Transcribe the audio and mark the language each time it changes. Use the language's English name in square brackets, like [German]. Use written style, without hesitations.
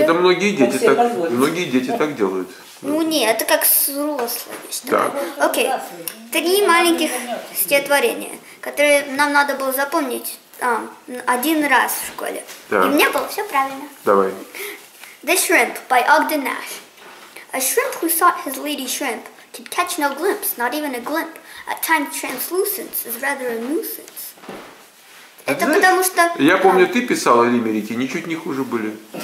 [Russian] Это многие дети, так, многие дети так делают. Ну нет, это как с взрослыми. Окей, три маленьких стихотворения, которые нам надо было запомнить один раз в школе. Так. И у меня было все правильно. Давай. [English] The Shrimp by Ogden Nash. A shrimp who sought his lady shrimp could catch no glimpse, not even a glimpse. At times translucence is rather a nuisance. [Russian] Это знаешь, потому что... Я помню, ты писала лимерики, ничуть не хуже были.